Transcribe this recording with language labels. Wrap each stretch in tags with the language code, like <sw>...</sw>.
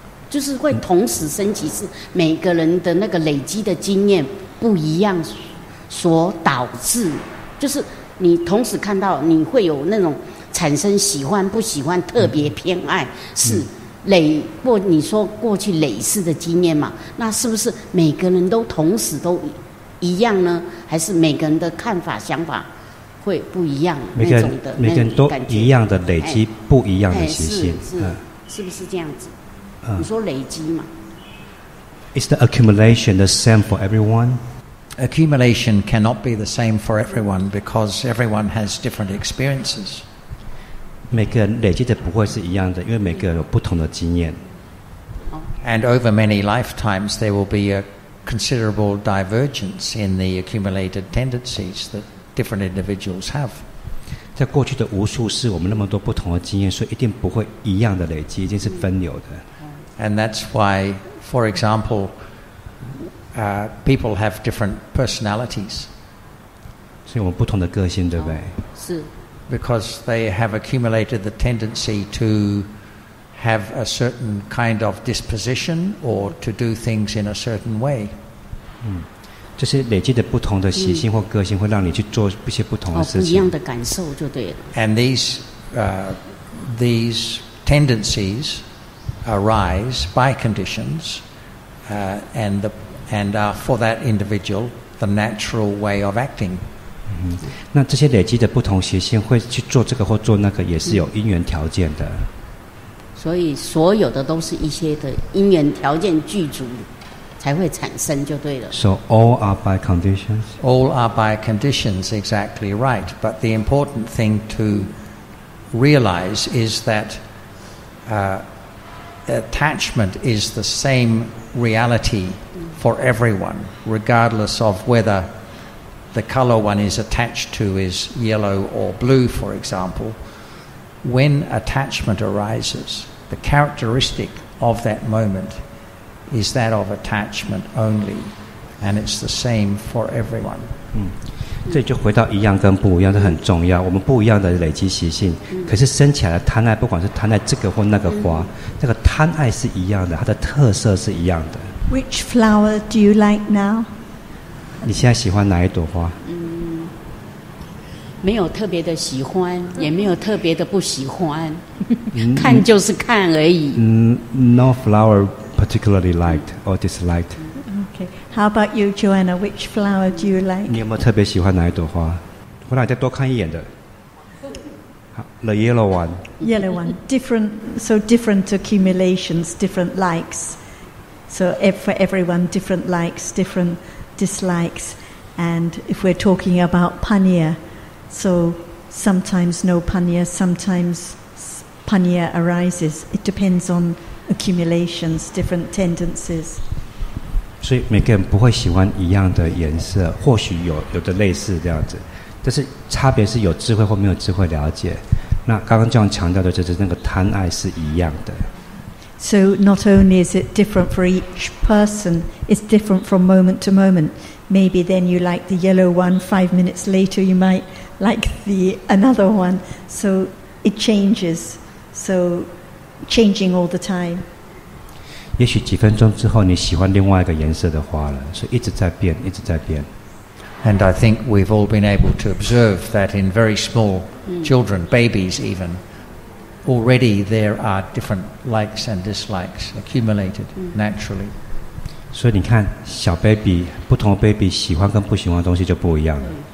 <zh>就是会同时升起，是每个人的那个累积的经验不一样所导致，就是你同时看到你会有那种产生喜欢不喜欢特别偏爱，是累过你说过去累世的经验嘛？那是不是每个人都同时都一样呢？还是每个人的看法想法会不一样？每个人都一样的累积不一样的习性，是不是这样子？你说累积嘛？</zh> <en>Is the accumulation the same for everyone? Accumulation cannot be the same for everyone because everyone has different experiences.</en> <zh>每个人累积的不会是一样的，因为每个人有不同的经验。</zh> <en>And over many lifetimes, there will be a considerable divergence in the accumulated tendencies that different individuals have.</en> <zh>在过去的无数次，我们那么多不同的经验，所以一定不会一样的累积，一定是分流的。</zh> <en>And that's why, for example, people have different personalities.</en> <zh>所以我们不同的个性，对不对？是。</zh> <en>Because they have accumulated the tendency to have a certain kind of disposition or to do things in a certain way.</en> <zh>就是累积的不同的习性或个性，会让你去做一些不同的事情。不一样的感受就对了。</zh> <en>And these tendencies arise by conditions, and are for that individual the natural way of acting.</en> <zh>那这些累积的不同习性会去做这个或做那个，也是有因缘条件的。所以所有的都是一些的因缘条件具足。才会产生就对了。</zh> <en>So all are by conditions? All are by conditions, exactly right. But the important thing to realize is that attachment is the same reality for everyone, regardless of whether the color one is attached to is yellow or blue, for example. When attachment arises, the characteristic of that moment is that of attachment only, and it's the same for everyone.</en> <zh>这就回到一样跟不一样，这很重要。我们不一样的累积习性，可是生起来的贪爱，不管是贪爱这个或那个花，那个贪爱是一样的，它的特色是一样的。</zh> <en>Which flower do you like now?</en> <zh>你现在喜欢哪一朵花？没有特别的喜欢，也没有特别的不喜欢，看就是看而已。</zh> <en>No flower particularly liked or disliked. How about you, Joanna? Which flower do you like?</en> <zh>你有没有特别喜欢哪一朵花？我让你再多看一眼的。</zh> <en>The yellow one. Yellow one. Different, so different accumulations, different likes. So for everyone, different likes, different dislikes. And if we're talking about panya, so sometimes no panya, sometimes panya arises. It depends on accumulations, different tendencies.</en> <zh>所以每个人不会喜欢一样的颜色，或许有的类似这样子，但是差别是有智慧或没有智慧了解。那刚刚这样强调的就是那个贪爱是一样的。</zh> <en>So not only is it different for each person, it's different from moment to moment. Maybe then you like the yellow one. 5 minutes later, you might like the another one. So it changes. So changing all the time.</en> <zh>也许几分钟之后你喜欢另外一个颜色的花了，所以一直在变，一直在变。 And I think we've all been able to observe that in very small children, babies even, already there are different likes and dislikes accumulated naturally. 所以你看，小 baby 不同的 baby 喜欢跟不喜欢的东西就不一样了。</zh>